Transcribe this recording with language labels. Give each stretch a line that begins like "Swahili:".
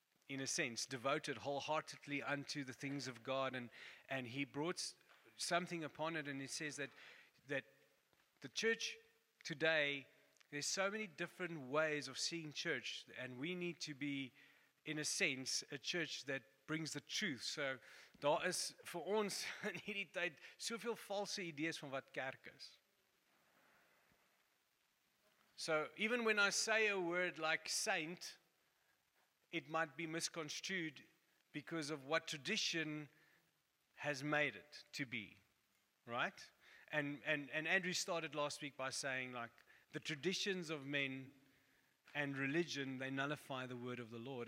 English: In a sense, devoted wholeheartedly unto the things of God, and he brought something upon it, and he says that the church today, there's so many different ways of seeing church, and we need to be, in a sense, a church that brings the truth.
Afrikaans: So daar is vir ons in hierdie tyd soveel
English: false ideas
Afrikaans: van wat kerk is.
English: So even when I say a word like saint, it might be misconstrued because of what tradition has made it to be, right? And Andrew started last week by saying, like, the traditions of men and religion, they nullify the word of the Lord.